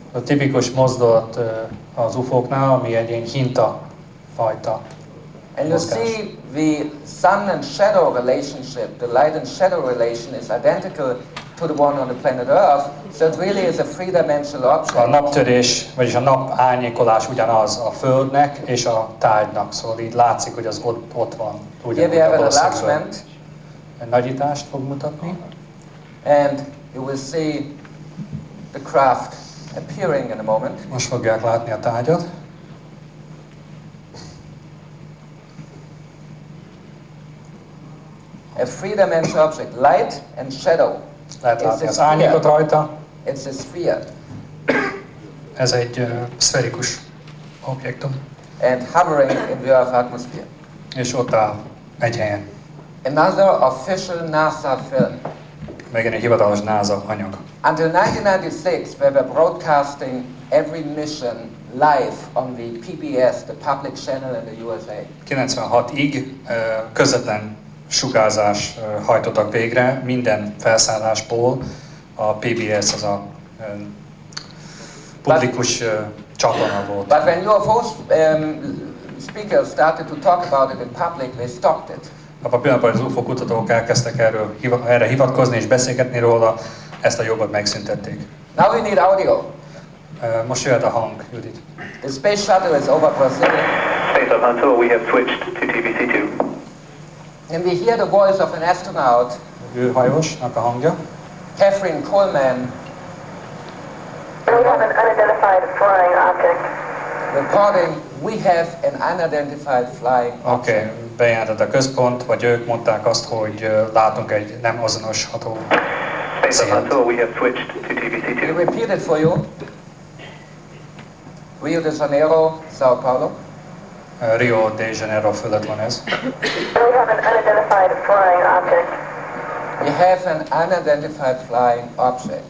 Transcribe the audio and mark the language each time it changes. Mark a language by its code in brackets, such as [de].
[hu] A tipikus mozdulat az UFO-knál, ami egy ilyen hinta fajta. [en] And you see the sun and shadow relationship, the light and shadow relation is identical to the one on the planet Earth, so it really is a three-dimensional object. [hu] A naptörés, vagyis a nap árnyékolás ugyanaz a Földnek és a tárgynak, szóval így látszik, hogy az ott van. [en] Here we have an enlargement. [hu] Egy nagyítást fog mutatni. [en] And you will see the craft appearing in a moment. [hu] Most fogják látni a tárgyat. [en] A three-dimensional object, light and shadow. [hu] Lehet látni az árnyékot rajta. [en] It's a sphere. [hu] Ez egy szferikus objektum. [en] And hovering in the Earth atmosphere. [hu] És ott áll egy helyen. [en] Another official NASA film. [hu] Megint egy hivatalos NASA anyag. [en] Until 1996, we were broadcasting every mission live on the PBS, the public channel in the USA. [hu] 96-ig közvetlen sugárzás hajtottak végre minden felszállásból a PBS, az a publikus csatorna volt. [en] But when UFOs speakers started to talk about it in public, they stopped it. [hu] A pillanatban az UFO kutatók elkezdtek erre hivatkozni és beszélgetni róla, ezt a jogot megszüntették. [en] Now we need audio. [hu] Most jöhet a hang, Judit. [en] The space shuttle is over Brazil. Space shuttle, we have switched to TBC2. And we hear the voice of an astronaut. [hu] Hajós, a hangja. [en] Catherine Coleman. We have an unidentified flying object. Reporting, we have an unidentified flying object. [hu] Okay, bejelentett a központ, vagy ők mondták azt, hogy látunk egy nem azonosható szint. [en] Space shuttle, we have switched to TBC2. We repeat it for you. Rio de Janeiro, São Paulo. [hu] Rio de Janeiro fölött van ez. [en] We have an unidentified flying object. We have an unidentified flying object.